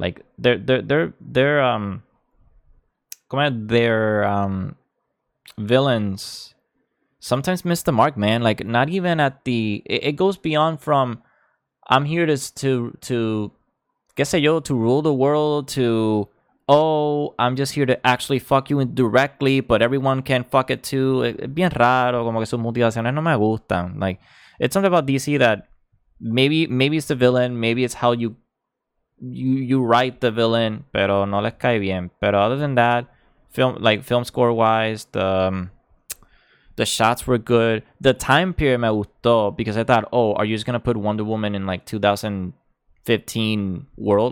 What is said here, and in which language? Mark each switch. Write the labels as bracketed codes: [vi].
[en] Like their villains sometimes miss the mark, man. Like, not even at the it goes beyond from I'm here to guess yo to rule the world to, oh, I'm just here to actually fuck you indirectly, but everyone can fuck it too. [es] Bien raro, como que sus motivaciones no me gustan. [en] Like, it's something about DC that maybe it's the villain, maybe it's how you write the villain, [es] pero no les cae bien. [en] Pero other than that, film score wise, the shots were good. The time period [es] me gustó, [en] because I thought, oh, are you just gonna put Wonder Woman in like 2015 world?